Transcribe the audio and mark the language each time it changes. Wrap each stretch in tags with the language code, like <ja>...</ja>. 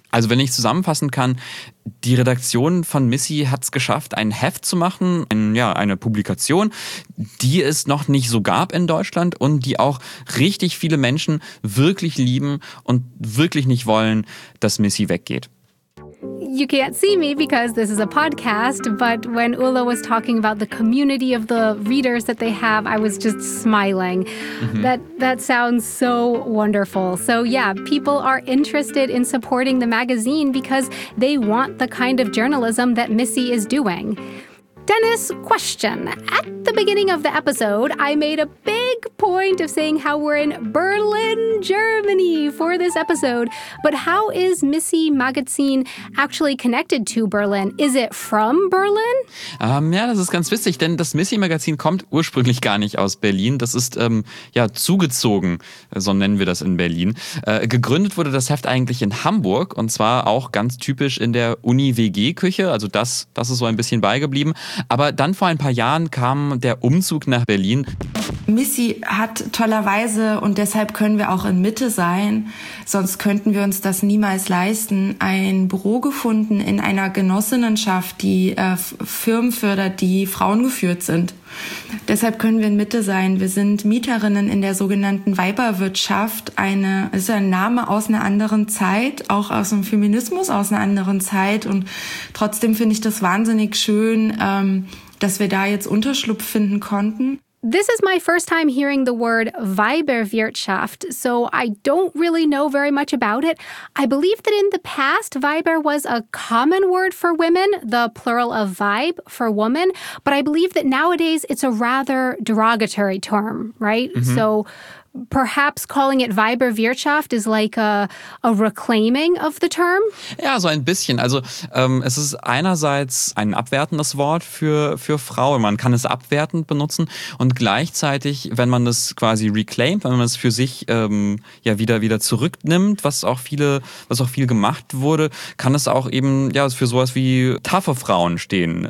<de>Also wenn ich zusammenfassen kann, die Redaktion von Missy hat es geschafft, ein Heft zu machen, eine Publikation, die es noch nicht so gab in Deutschland und die auch richtig viele Menschen wirklich lieben und wirklich nicht wollen, dass Missy weggeht.</de> <en>You can't see me because this is a podcast, but when Ulla was talking about the community of the readers that they have, I was just smiling. Mm-hmm. That sounds so wonderful. So yeah, people are interested in supporting the magazine because they want the kind of journalism that Missy is doing. Dennis, question. At the beginning of the episode, I made a big point of saying how we're in Berlin, Germany for this episode. But how is Missy Magazine actually connected to Berlin? Is it from Berlin?</en> <de>Das ist ganz witzig, denn das Missy Magazine kommt ursprünglich gar nicht aus Berlin. Das ist zugezogen, so nennen wir das in Berlin. Gegründet wurde das Heft eigentlich in Hamburg und zwar auch ganz typisch in der Uni-WG-Küche. Also das ist so ein bisschen beigeblieben. Aber dann vor ein paar Jahren kam der Umzug nach Berlin. Missy hat tollerweise, und deshalb können wir auch in Mitte sein, sonst könnten wir uns das niemals leisten, ein Büro gefunden in einer Genossinnenschaft, die Firmen fördert, die Frauen geführt sind. Deshalb können wir in Mitte sein. Wir sind Mieterinnen in der sogenannten Weiberwirtschaft. Ist ein Name aus einer anderen Zeit, auch aus dem Feminismus aus einer anderen Zeit. Und trotzdem finde ich das wahnsinnig schön, dass wir da jetzt Unterschlupf finden konnten.</de> <en>This is my first time hearing the word Weiberwirtschaft, so I don't really know very much about it. I believe that in the past, Weiber was a common word for women, the plural of Weib for woman, but I believe that nowadays it's a rather derogatory term, right? Mm-hmm. So perhaps calling it Weiberwirtschaft is like a reclaiming of the term?</en> <de>Ja, so ein bisschen. Also es ist einerseits ein abwertendes Wort für Frauen. Man kann es abwertend benutzen und gleichzeitig, wenn man es quasi reclaimt, wenn man es für sich wieder zurücknimmt, was auch viel gemacht wurde, kann es auch eben ja für sowas wie taffe Frauen stehen.</de>